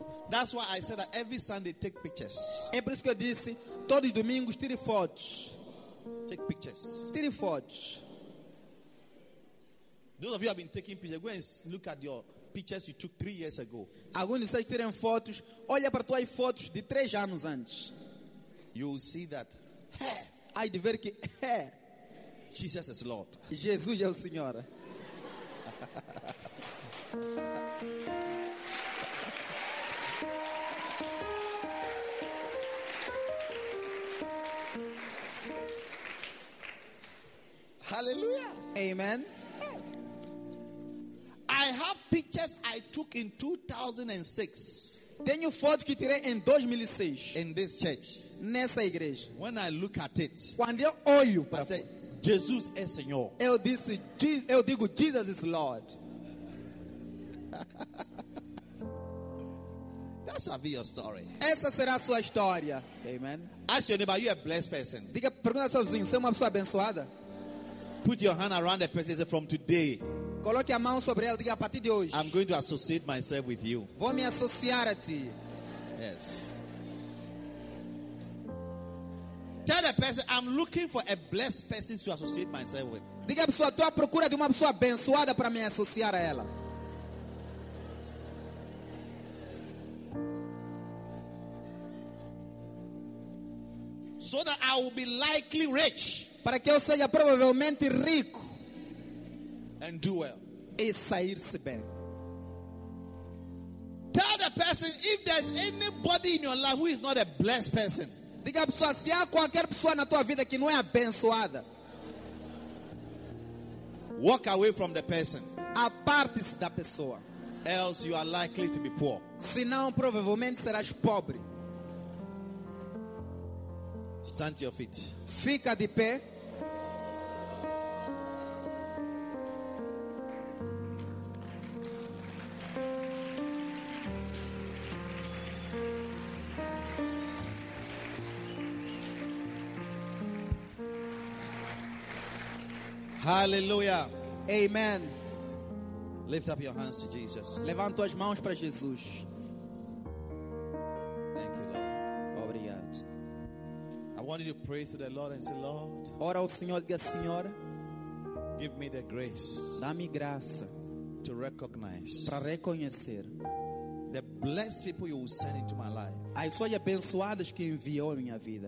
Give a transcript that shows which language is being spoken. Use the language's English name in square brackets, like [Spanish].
[English] That's why I said that every Sunday take pictures. [Portuguese] É por isso que eu disse, todos os domingos tire fotos. [English] Take pictures. [Portuguese] Tire fotos. [English] Those of you who have been taking pictures, go and look at your pictures you took 3 years ago. [Portuguese] Alguns de vocês tiram fotos, olha para tuas fotos de 3 anos antes. [English] You will see that. [Portuguese] Aí de ver que é. [English] Jesus is Lord. [Portuguese] Jesus é o Senhor. [English] Hallelujah. Amen. I have pictures I took in 2006. [Portuguese] Tenho fotos que tirei em 2006. [English] In this church. [Portuguese] Nessa igreja. [English] When I look at it. [Portuguese] Quando eu olho para. [English] I say, [Portuguese] Jesus é Senhor. Eu digo, [English] Jesus is Lord. That shall be your story. [Portuguese] Essa será a sua história. Amen. [English] Ask your neighbor, you a blessed person. [Portuguese] Diga, pergunta ao seu vizinho, você é uma pessoa abençoada? [English] Put your hand around the person and say, from today. [Portuguese] Coloque a mão sobre ela e diga, a partir de hoje. [English] I'm going to associate myself with you. [Portuguese] Vou me associar a ti. [English] Yes. Tell the person, I'm looking for a blessed person to associate myself with. [Portuguese] Diga a pessoa, estou à procura de uma pessoa abençoada para me associar a ela. [English] so that I will be likely rich. [Portuguese] Para que eu seja provavelmente rico. [English] And do well. [Portuguese] E sair-se bem. [English] Tell the person, if there's anybody in your life who is not a blessed person. [Portuguese] Diga à pessoa, se há qualquer pessoa na tua vida que não é abençoada. [English] Walk away from the person. [Portuguese] Aparte-se da pessoa. [English] Else you are likely to be poor. [Portuguese] Senão provavelmente serás pobre. [English] Stand to your feet. [Portuguese] Fica de pé. [English] Hallelujah. Amen. Lift up your hands to Jesus. [Portuguese] Levanta as mãos para Jesus. [English] Thank you, Lord. [Portuguese] Obrigado. [English] I wanted to pray to the Lord and say, Lord. [Portuguese] Ora ao Senhor, diga, Senhor. [English] Give me the grace. [Portuguese] Dá-me graça. [English] To recognize. [Portuguese] Para reconhecer. [English] The blessed people you will send into my life. [Portuguese] As pessoas abençoadas que enviou em minha vida.